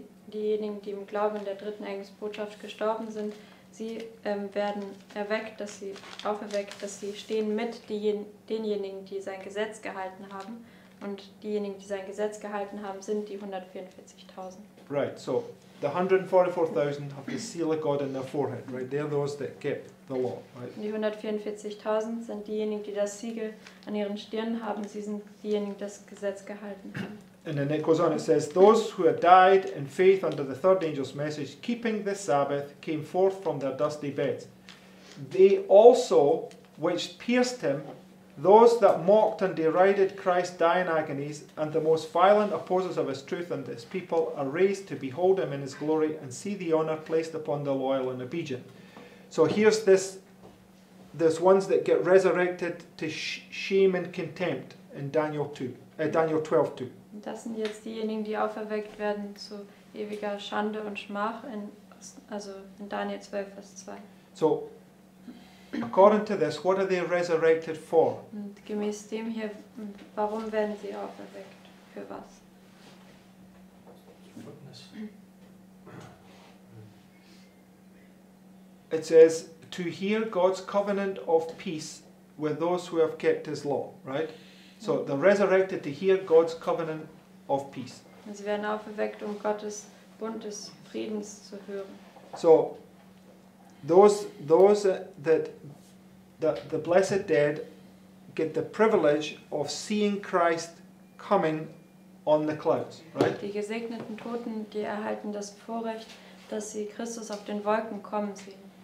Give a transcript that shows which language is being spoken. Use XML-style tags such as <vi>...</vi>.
<de>Diejenigen, die im Glauben der dritten Engelsbotschaft gestorben sind, sie werden erweckt, dass sie auferweckt, dass sie stehen mit denjenigen, die sein Gesetz gehalten haben. Und diejenigen, die sein Gesetz gehalten haben, sind die 144,000.</de> <en>Right, so the 144,000 have the seal of God in their forehead, right? They're those that kept the law, right?</en> <de>Die 144,000 sind diejenigen, die das Siegel an ihren Stirn haben. Sie sind diejenigen, das Gesetz gehalten haben.</de> <en>And then it goes on. It says, those who had died in faith under the third angel's message, keeping the Sabbath, came forth from their dusty beds. They also, which pierced him, those that mocked and derided Christ die in agonies, and the most violent opposers of his truth and his people are raised to behold him in his glory and see the honor placed upon the loyal and obedient. So here's this ones that get resurrected to shame and contempt in Daniel 12:2.</en> <de>Das sind jetzt diejenigen, die auferweckt werden zu ewiger Schande und Schmach, in Daniel 12, Vers 2.</de> <en>So, according to this, what are they resurrected for?</en> <de>Und gemäß dem hier, warum werden sie auferweckt? Für was?</de> <en>It says, to hear God's covenant of peace with those who have kept his law, right? So they're resurrected to hear God's covenant of peace.</en> <de>Und sie werden auferweckt, um Gottes Bund des Friedens zu hören.</de> <en>So, that the blessed dead get the privilege of seeing Christ coming on the clouds, right?</en> <de>Die gesegneten Toten, die erhalten das Vorrecht, dass sie Christus auf den Wolken kommen sehen.</de>